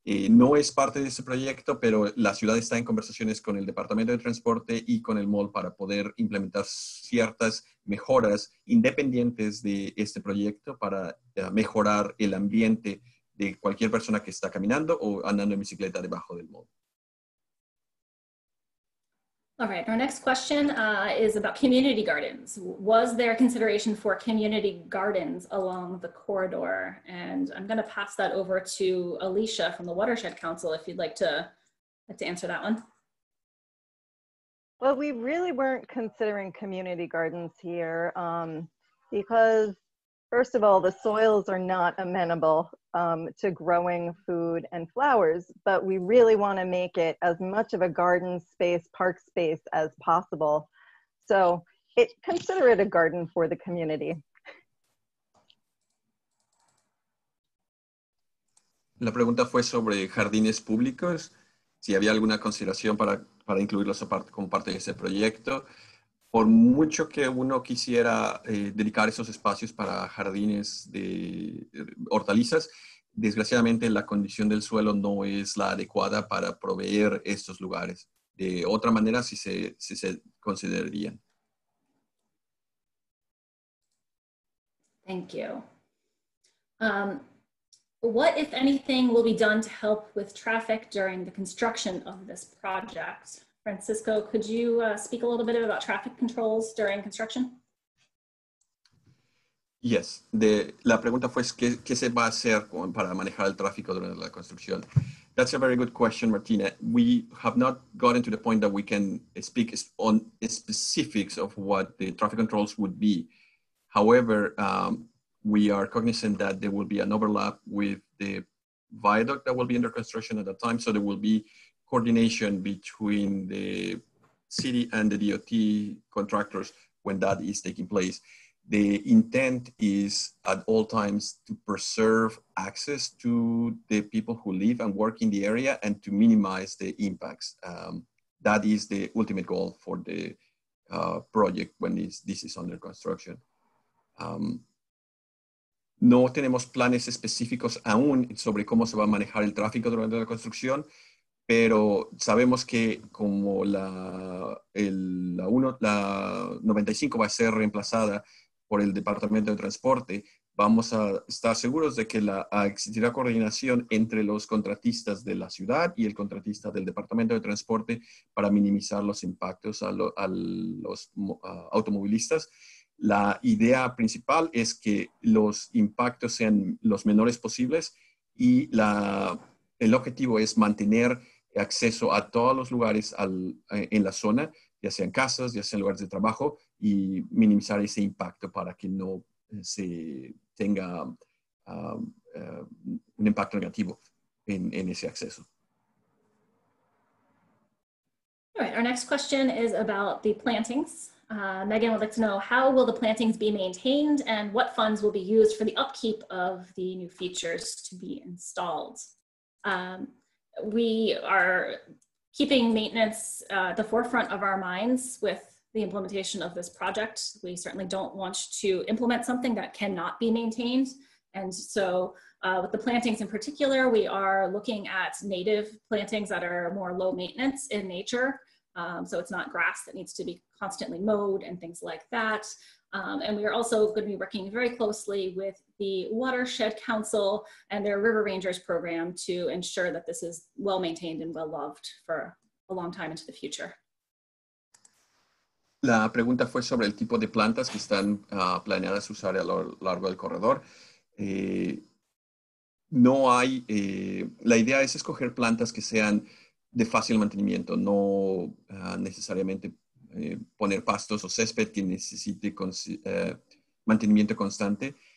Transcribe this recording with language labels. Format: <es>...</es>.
<es>No es parte de ese proyecto, pero la ciudad está en conversaciones con el Departamento de Transporte y con el mall para poder implementar ciertas mejoras independientes de este proyecto para mejorar el ambiente de cualquier persona que está caminando o andando en bicicleta debajo del mall.</es> <en>All right, our next question is about community gardens. Was there consideration for community gardens along the corridor? And I'm going to pass that over to Alicia from the Watershed Council if you'd like to answer that one. Well, we really weren't considering community gardens here because, first of all, the soils are not amenable to growing food and flowers, but we really want to make it as much of a garden space, park space as possible. So consider it a garden for the community.</en> <es>La pregunta fue sobre jardines públicos, si había alguna consideración para incluirlos como parte de ese proyecto. Por mucho que uno quisiera dedicar esos espacios para jardines de hortalizas, desgraciadamente la condición del suelo no es la adecuada para proveer estos lugares. De otra manera, si se considerarían.</es> <en>Thank you. What, if anything, will be done to help with traffic during the construction of this project? Francisco, could you speak a little bit about traffic controls during construction? Yes.</en> <es>La pregunta fue, ¿qué se va a hacer para manejar el tráfico durante la construcción?</es> <en>That's a very good question, Martina. We have not gotten to the point that we can speak on specifics of what the traffic controls would be. However, we are cognizant that there will be an overlap with the viaduct that will be under construction at that time, so there will be coordination between the city and the DOT contractors when that is taking place. The intent is at all times to preserve access to the people who live and work in the area and to minimize the impacts. That is the ultimate goal for the project when this is under construction.</en> <es>No tenemos planes específicos aún sobre cómo se va a manejar el tráfico durante la construcción. Pero sabemos que como la 95 va a ser reemplazada por el Departamento de Transporte, vamos a estar seguros de que existirá coordinación entre los contratistas de la ciudad y el contratista del Departamento de Transporte para minimizar los impactos a los automovilistas. La idea principal es que los impactos sean los menores posibles y el objetivo es mantener acceso a todos los lugares en la zona, ya sean casas, ya sean lugares de trabajo, y minimizar ese impacto para que no se tenga un impacto negativo en ese acceso.</es> <en>All right, our next question is about the plantings. Megan would like to know, how will the plantings be maintained and what funds will be used for the upkeep of the new features to be installed? We are keeping maintenance at the forefront of our minds with the implementation of this project. We certainly don't want to implement something that cannot be maintained. And so with the plantings in particular, we are looking at native plantings that are more low maintenance in nature. So it's not grass that needs to be constantly mowed and things like that. And we are also going to be working very closely with the Watershed Council and their River Rangers program to ensure that this is well maintained and well loved for a long time into the future.</en> <es>La pregunta fue sobre el tipo de plantas que están planeadas usar a lo largo del corredor. No hay, la idea es escoger plantas que sean de fácil mantenimiento, no necesariamente poner pastos o césped que necesite mantenimiento constante.</es>